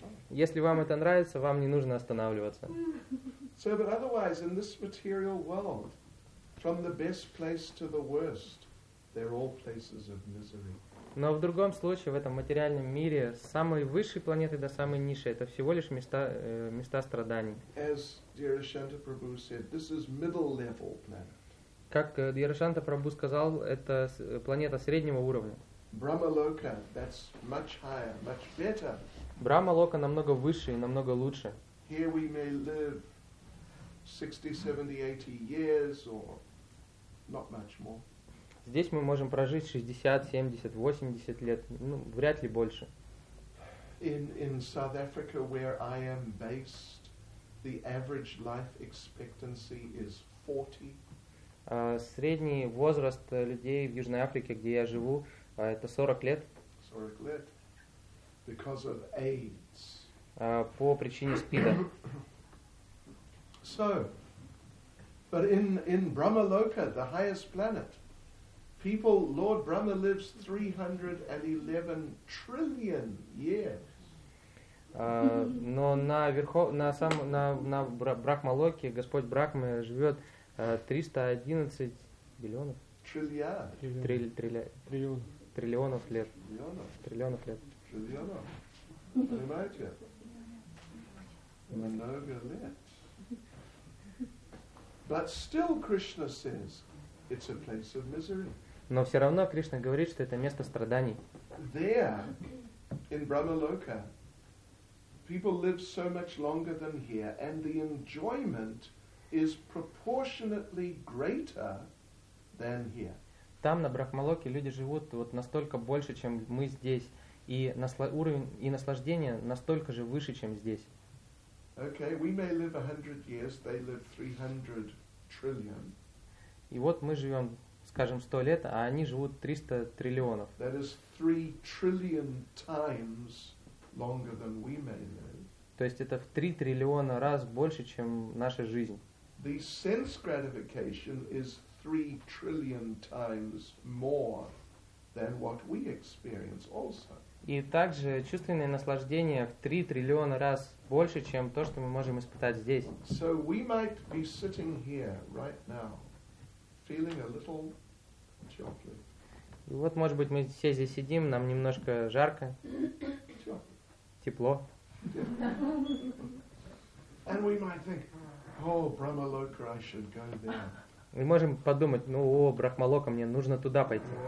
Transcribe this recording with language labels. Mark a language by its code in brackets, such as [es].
[ru] Если вам это нравится, вам не нужно останавливаться. [en] So, but otherwise, in this material world, from the best place to the worst, they're all places of misery. [ru] Но в другом случае, в этом материальном мире, с самой высшей планеты до самой низшей, это всего лишь места страданий. [en] As Dhyarashanta Prabhu said, this is middle-level planet. [ru] Как Дьярашанта Прабху сказал, это планета среднего уровня. [en] Брахмалока, that's much higher, much better. [ru] Брахмалока намного выше и намного лучше. [en] Here we may live 60, 70, 80 years or not much more. [ru] Здесь мы можем прожить 60, 70, 80 лет, ну, вряд ли больше. [en] In South Africa, where I am based, the average life expectancy is 40. [ru] Средний возраст людей в Южной Африке, где я живу, это 40 лет. 40 лет. [en] Because of AIDS. [ru] По причине СПИДа. [en] So, but in Brahmaloka, the highest planet, people, Lord Brahma lives 311 trillion years. [ru] Но на Брахмалоке Господь Брахма живет 311 биллионов. Триллионов лет. Триллионов лет. Понимаете? Много лет. [en] But still Krishna says it's a place of misery. [ru] Но все равно Кришна говорит, что это место страданий. [en] There, in Brahmaloka, people live so much longer than here, and the enjoyment is proportionately greater than here. [ru] Там, на Брахмалоке, люди живут вот настолько больше, чем мы здесь, и уровень и наслаждение настолько же выше, чем здесь. [en] Okay, we may live 100 years, they live 300 trillion. [ru] И вот мы живем, скажем, 100 лет, а они живут 300 триллионов. [en] That is 3 trillion times longer than we may live. [ru] То есть это в 3 триллиона раз больше, чем наша жизнь. [en] The sense gratification is 3 trillion times more than what we experience also. [ru] И также чувственное наслаждение в 3 триллиона раз больше, чем то, что мы можем испытать здесь. [en] So we might be sitting here right now, feeling a little chocolate. [ru] И вот, может быть, мы все здесь сидим, нам немножко жарко. Тепло. [en] And we might think, oh, Brahmaloka, I should go there. [ru] Мы можем подумать, ну, о, Брахмалока, мне нужно туда пойти.